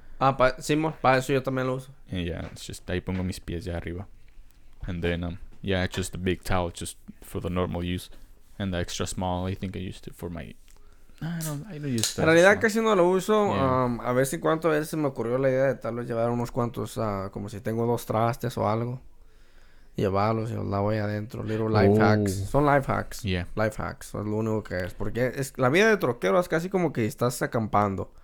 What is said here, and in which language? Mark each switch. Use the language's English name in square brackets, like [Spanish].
[Spanish] Ah, pa, sí, mo, pa eso yo también lo uso. [English] And yeah, it's just... [Spanish] Ahí pongo mis pies ya arriba. [English] And then, yeah, it's just a big towel just for the normal use. And the extra small, I think I used it for my... I don't use that. [Spanish] En realidad casi no lo uso. [English] Yeah. [Spanish] A veces en cuanto a veces me ocurrió la idea de tal vez llevar unos cuantos... como si tengo dos trastes o algo. Llevarlos y los lavo ahí adentro. [English] Little life hacks. Son life hacks. Yeah. [Spanish] Life hacks. Es lo único que es. Porque es, la vida de troquero es casi como que estás acampando.